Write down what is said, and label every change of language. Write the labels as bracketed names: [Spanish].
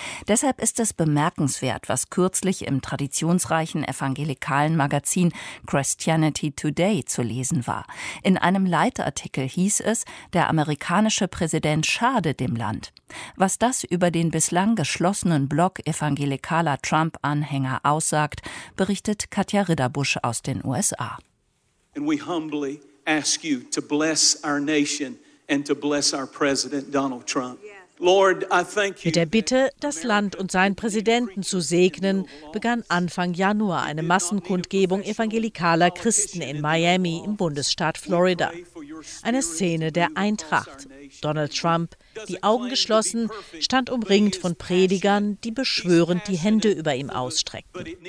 [German] Deshalb ist es bemerkenswert, was kürzlich im traditionsreichen evangelikalen Magazin Christianity Today zu lesen war. In einem Leitartikel hieß es, der amerikanische Präsident schade dem Land. Was das über den bislang geschlossenen Block evangelikaler Trump-Anhänger aussagt, berichtet Katja Ridderbusch aus den USA. [English] And we humbly ask you to bless our nation and to bless our President Donald Trump. [German] Mit der Bitte, das Land und seinen Präsidenten zu segnen, begann Anfang Januar eine Massenkundgebung evangelikaler Christen in Miami im Bundesstaat Florida. Eine Szene der Eintracht. Donald Trump, die Augen geschlossen, stand umringt von Predigern, die beschwörend die Hände über ihm ausstreckten.